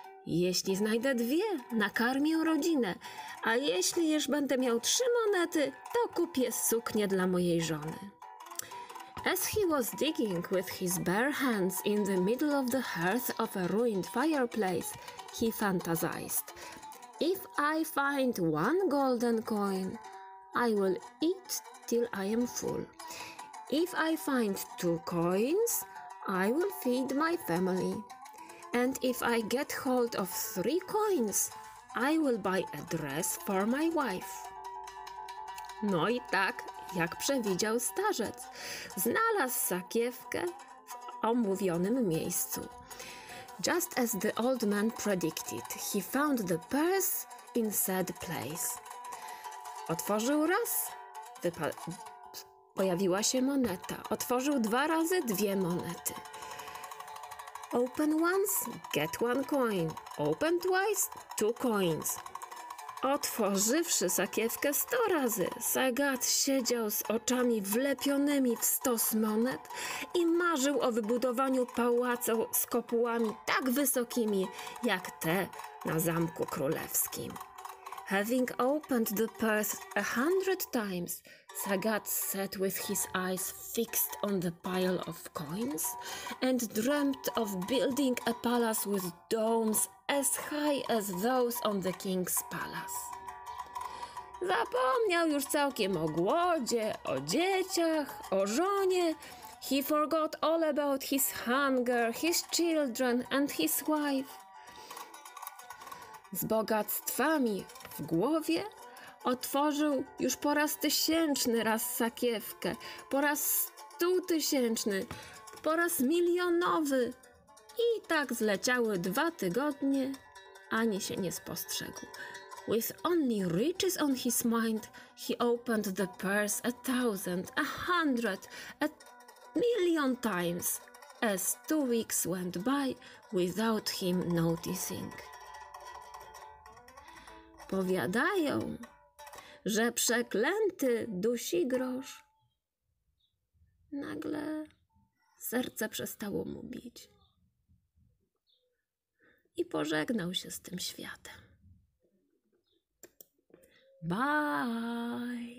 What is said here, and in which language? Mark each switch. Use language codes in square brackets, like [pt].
[pl] Jeśli znajdę dwie, nakarmię rodzinę, a jeśli już będę miał trzy monety, to kupię suknię dla mojej żony. [en] As he was digging with his bare hands in the middle of the hearth of a ruined fireplace, he fantasized. If I find one golden coin, I will eat till I am full. If I find two coins, I will feed my family. And if I get hold of three coins, I will buy a dress for my wife. [pl] No i tak, jak przewidział starzec, znalazł sakiewkę w omówionym miejscu. [en] Just as the old man predicted, he found the purse in said place. [pl] Otworzył raz, pojawiła się moneta. Otworzył dwa razy dwie monety. [en] Open once, get one coin. Open twice, two coins. [pl] Otworzywszy sakiewkę 100 razy, Sagat siedział z oczami wlepionymi w stos monet i marzył o wybudowaniu pałacu z kopułami tak wysokimi jak te na Zamku Królewskim. [en] Having opened the purse 100 times, Sagat sat with his eyes fixed on the pile of coins and dreamt of building a palace with domes as high as those on the king's palace. [pl] Zapomniał już całkiem o głodzie, o dzieciach, o żonie. [en] He forgot all about his hunger, his children and his wife. [pl] Z bogactwami w głowie otworzył już po raz tysięczny raz sakiewkę, po raz 100 tysięczny, po raz milionowy. I tak zleciały 2 tygodnie, ani się nie spostrzegł. [en] With only riches on his mind, he opened the purse 1,000, 100, 1,000,000 times, as 2 weeks went by without him noticing. [pl] Powiadają, że przeklęty dusi grosz. Nagle serce przestało mu bić. I pożegnał się z tym światem. [en] Bye!